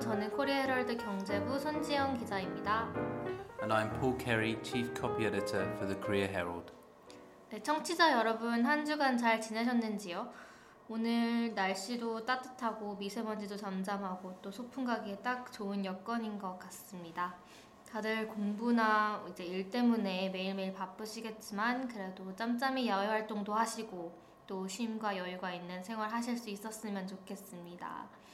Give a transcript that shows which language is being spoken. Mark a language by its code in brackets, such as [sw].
[ko] 저는 코리아 헤럴드 경제부 손지영 기자입니다. [en] And I'm Paul Carey, chief copy editor for the Korea Herald. [ko] 네, 청취자 여러분, 한 주간 잘 지내셨는지요? 오늘 날씨도 따뜻하고 미세먼지도 잠잠하고 또 소풍 가기에 딱 좋은 여건인 것 같습니다. 다들 공부나 이제 일 때문에 매일매일 바쁘시겠지만 그래도 짬짬이 야외 활동도 하시고 또 쉼과 여유가 있는 생활 하실 수 있었으면 좋겠습니다.